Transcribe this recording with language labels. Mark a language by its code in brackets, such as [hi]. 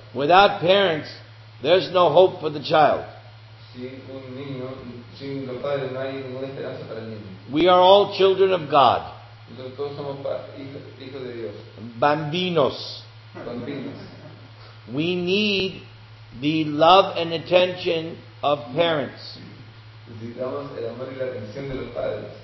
[en] Without parents, there's no hope for the child. [es] Sin un niño, sin los padres, no hay ninguna esperanza para el niño. [en] We are all children of God. [es] Entonces, todos somos hijos de Dios. [it] Bambinos. Bambinos. [en] We need the love and attention of parents. [es] Necesitamos el amor y la atención de los padres.